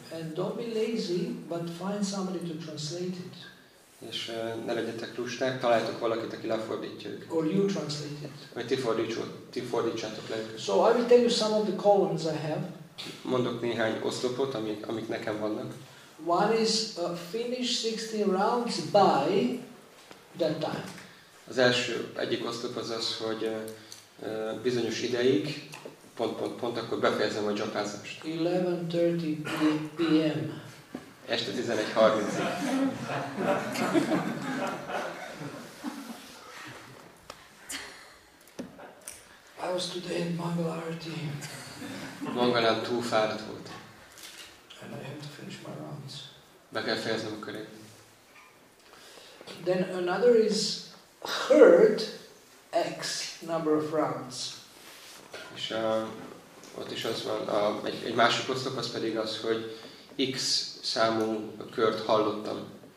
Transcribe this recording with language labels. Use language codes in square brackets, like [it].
[en] And don't be lazy, but find somebody to translate it. [hu] És ne legyetek lusták, találjátok valakit, aki lefordítja őket. [en] Or you translate it. [hu] Vagy ti fordítsátok le őket. [en] So I will tell you some of the columns I have. [hu] Mondok néhány oszlopot, amik nekem vannak. [en] One is finish 16 rounds by that time. [hu] Az első, egyik oszlop az, hogy bizonyos ideig, pont akkor befejezem a japázást. [en] 11:30 p.m. [hu] Este 11:30. [en] I was today in Mangalarati. [hu] Mangalán túl fáradt volt. [en] And I have to finish my rounds. [hu] Be kell fejeznem a körét. [en] Then another is heard X number of rounds. [hu] És ott is az van, egy másik oszlop az pedig az, hogy X számú kört hallottam.